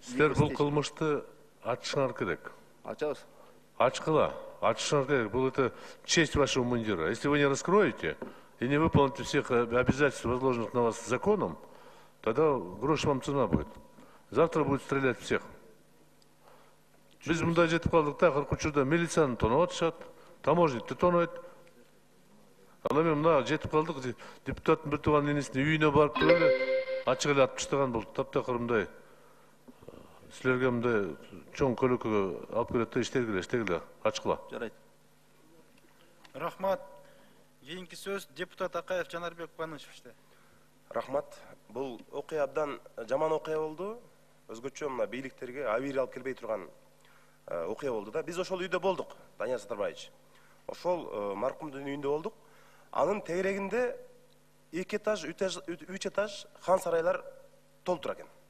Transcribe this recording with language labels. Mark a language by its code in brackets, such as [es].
[ky] Сэр, был кылмышты ачышыңар керек. Ачабыз. Ачкыла. Ачышыңар керек. [ru] Был это честь вашего мундира. Если вы не раскроете и не выполните всех обязательств, возложенных на вас законом, тогда грош вам цена будет. Завтра будет стрелять всех. [ky] Биз мындай жетип калдык да, акыркы учурда милицияны тонап атышат, таможникти тонойт. Ал эми мына жетип калдык, депутаттын бир тууган энесинин үйүнө барып туруп эле ачык эле атып таштаган. Бул таптакыр мындай силерге мындай чоң көлөкөгө алып келет да, иштегиле, иштегиле, ачкыла. Жарайт. Рахмат. Кийинки сөз депутат Акаев Жанарбек Куанышевичте. Рахмат. Бул окуя абдан жаман окуя болду. Өзгөчө мына бийликтерге авирия алып келбей турган окуя болду да. Биз ошол үйдө болдук, Данияр Сатарбаевич. Ошол маркумдун үйүндө болдук. Анын тегерегинде эки этаж, үч этаж хан сарайлар толуп турат экен.